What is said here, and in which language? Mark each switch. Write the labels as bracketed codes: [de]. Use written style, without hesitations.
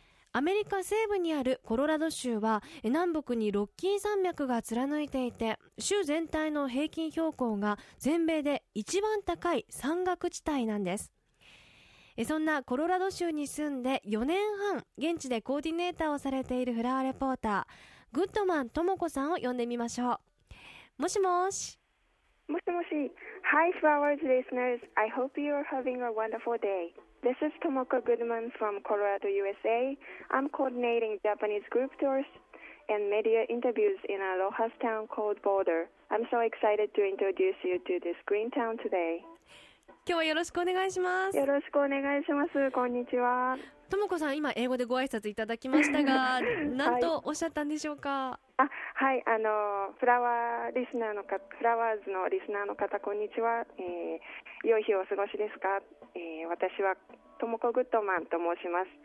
[ja] アメリカ西部にあるコロラド州は南北にロッキー山脈が貫いていて、州全体の平均標高が全米で一番高い山岳地帯なんです。そんなコロラド州に住んで4年半現地でコーディネーターをされているフラワーレポーターグッドマン智子さんを呼んでみましょう。もしもし。もしもし。 [en] Hi Flowers listeners, I hope you are having a wonderful day. This is Tomoko Goodman from Colorado, USA. I'm coordinating Japanese group tours and media interviews in Aloha's town called Boulder. I'm so excited to introduce you to this green town today. [ja] 今日はよろしくお願いします。よろしくお願いします。こんにちは。智子さん、今英語でご挨拶いただきましたが何とおっしゃったんでしょうか？はい、フラワーリスナーのか、フラワーズのリスナーの方、こんにちは。良い日をお過ごしですか？私はトモコグッドマンと申します。